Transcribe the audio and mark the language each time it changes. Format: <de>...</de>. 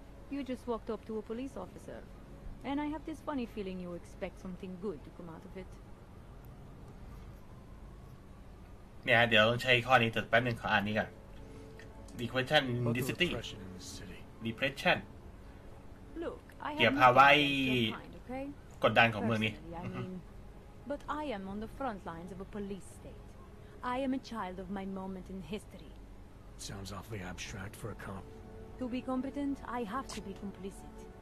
<en>You just walked up to a police officer, and I have this funny feeling you expect something good to come out of it.</en> <th>Yeah, เดี๋ยวต้องใช้ข้อนี้แต่แป๊บนึงขออ่านนี้ก่อน Depression in the city.</th> <en>Depression. Look, I have no idea what kind, okay? Personally, I mean, but I am on the front lines of a police state. I am a child of my moment in history. Sounds awfully abstract for a cop. To be competent, I have to be complicit.</en>